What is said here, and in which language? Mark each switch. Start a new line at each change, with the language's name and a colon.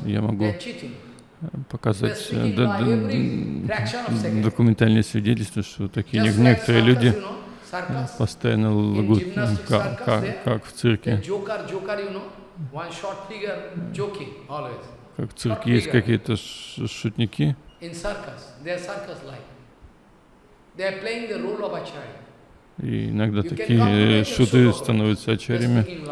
Russian: Я могу показать документальные свидетельства, что такие некоторые люди постоянно лгут, как в цирке. Как в цирке есть какие-то шутники.
English: They are circus-like. They are playing the role of acharya.
Russian: И иногда такие шуты становятся ачарьями.